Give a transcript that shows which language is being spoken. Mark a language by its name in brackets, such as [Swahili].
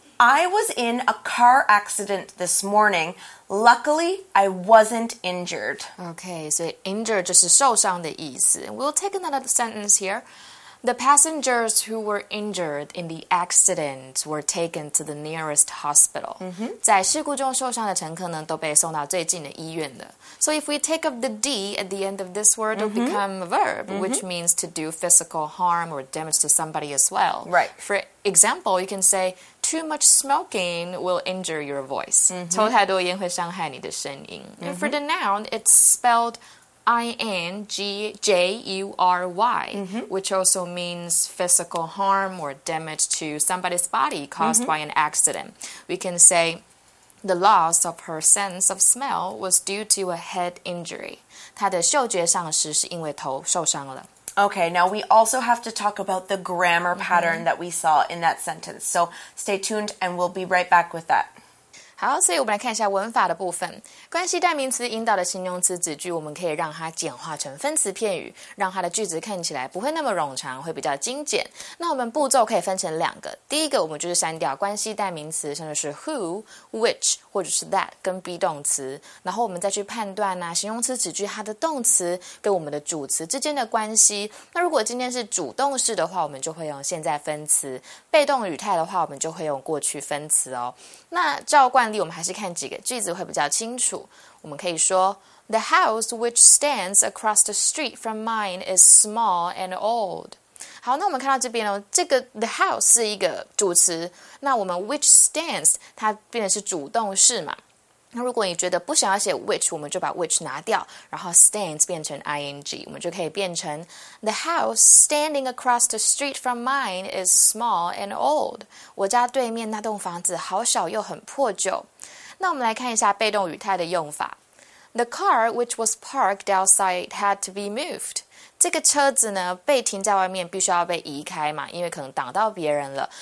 [English] I was in a car accident this morning. Luckily, I wasn't injured. Okay, so injured [Chinese] 就是受伤的意思. [English] We'll take another sentence here. The passengers who were injured in the accident were taken to the nearest hospital. Mm-hmm. [Chinese] 在事故中受伤的乘客呢都被送到最近的医院的。 [English] So if we take up the D at the end of this word, mm-hmm. it'll become a verb, mm-hmm. which means to do physical harm or damage to somebody as well. Right. For example, you can say, too much smoking will injure your voice. [Chinese] 抽太多烟会伤害你的声音。 [English] And for the noun, it's spelled I-N-G-J-U-R-Y, mm-hmm. which also means physical harm or damage to somebody's body caused mm-hmm. by an accident. We can say the loss of her sense of smell was due to a head injury. [Chinese] 她的嗅觉丧失是因为头受伤了。 [English] Okay, now we also have to talk about the grammar pattern mm-hmm. that we saw in that sentence. So stay tuned and we'll be right back with that. [Chinese] 好，所以我们来看一下文法的部分。关系代名词引导的形容词子句，我们可以让它简化成分词片语，让它的句子看起来不会那么冗长，会比较精简。那我们步骤可以分成两个。第一个，我们就是删掉关系代名词，像是 who、which 或者是 that 跟 be 动词，然后我们再去判断呢、啊，形容词子句它的动词跟我们的主词之间的关系。那如果今天是主动式的话，我们就会用现在分词；被动语态的话，我们就会用过去分词哦。那照惯例，我们还是看几个句子会比较清楚。我们可以说 [English] ，The house which stands across the street from mine is small and old。 [Chinese] 好，那我们看到这边哦，这个 the house 是一个主词，那我们 which stands 它变成是主动式嘛？那如果你觉得不想要写 which， 我们就把 which 拿掉，然后 stands 变成 ing， 我们就可以变成 [English] The house standing across the street from mine is small and old。 [Chinese] 我家对面那栋房子好小又很破旧。那我们来看一下被动语态的用法。 [English] The car which was parked outside had to be moved。 [Chinese] 这个车子呢被停在外面必须要被移开嘛，因为可能挡到别人了。